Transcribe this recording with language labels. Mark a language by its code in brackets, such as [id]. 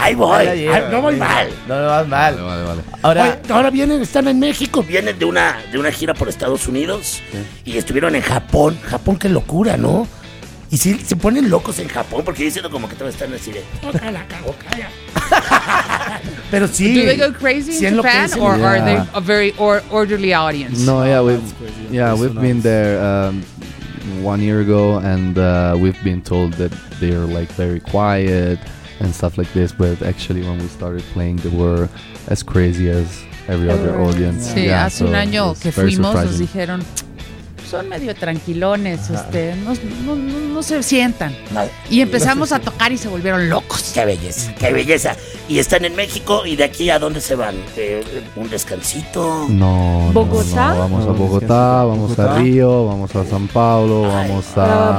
[es] Ahí voy. No voy mal. No me vas mal. Vale. Ahora, ahora vienen, están en México. Vienen de una gira por Estados Unidos. ¿Qué? Y estuvieron en Japón. Japón, qué locura, ¿no? Y sí, se ponen locos en Japón porque dicen como que todos están así de... Pero sí. [en] Do they go crazy in Japan, Japan or yeah. are they a very orderly audience? No, yeah, we've been there 1 year ago and we've been told that they're like very quiet and stuff like this. But actually when we started playing, they were as crazy as every other audience. [es] Sí, yeah, hace so un año que fuimos, nos dijeron... Son medio tranquilones, no se sientan. Y empezamos a tocar y se volvieron locos. Qué belleza, qué belleza. Y están en México, ¿y de aquí a dónde se van? ¿Un descansito? No, ¿Bogotá? No, no. Vamos a Bogotá, vamos a Río, vamos a San Pablo, vamos a